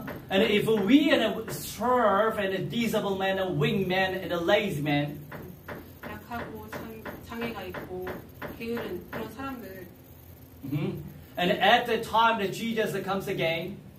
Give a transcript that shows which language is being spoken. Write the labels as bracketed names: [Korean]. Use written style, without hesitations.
[English] And if we and serve and disabled man and weak man and a lazy man [Korean] 약하고 장애가 있고 게으른 그런 사람들 [English] And at the time that Jesus comes again